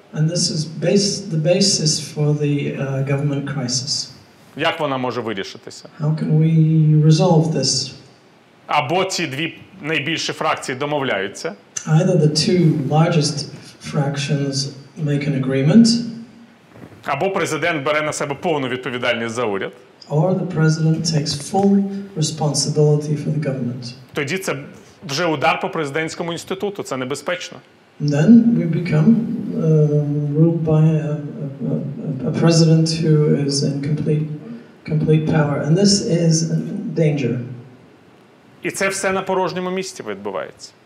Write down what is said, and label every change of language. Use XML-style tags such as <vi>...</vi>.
<en>And this is the basis for the government crisis.</en> <uk>Як вона може вирішитися?</uk> <en>How can we resolve this?</en> <uk>Або ці дві найбільші фракції домовляються?</uk> <en>Either the two largest fractions make an agreement.</en> <uk>Або президент бере на себе повну відповідальність за уряд.</uk> <en>Or the president takes full responsibility for the government.</en> <uk>Тоді це вже удар по президентському інституту, це небезпечно.</uk> <en>Then we become ruled by a president who is in complete power. And this is a danger.</en> <uk>І це все на порожньому місці відбувається.</uk>